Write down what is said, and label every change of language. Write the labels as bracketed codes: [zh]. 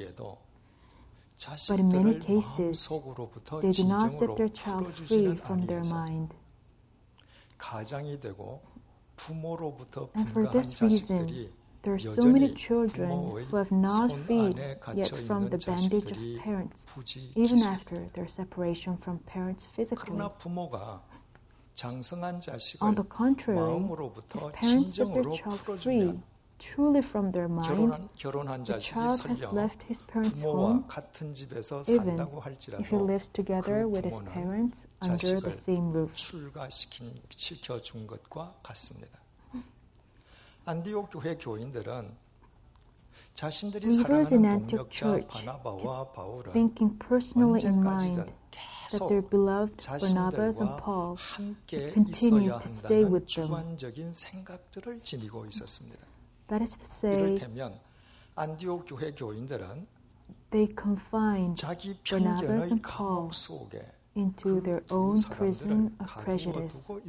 [en] But in many cases, they did not set their child free from their mind. [ko] 가장이 되고 부모로부터 [en] And for this reason, there are so many children who have not freed yet from the bandage of parents, even after their separation from parents physically. On the contrary, if parents set their child free, truly from their mind, the child has left his parents' home, even if he lives together with his parents under the same roof. [ko] 시켜준 것과 같습니다. 안디옥 교회 교인들은 자신들이 사랑하는 동역자 바나바와 바울은 [en] thinking personally in mind that their beloved Barnabas and Paul continued to stay with them. [ko] 주관적인 생각들을 지니고 있었습니다. [en] That is to say, [ko] 이를테면 안디옥 교회 교인들은 [en] they confined Barnabas and Paul into their own prison of prejudice.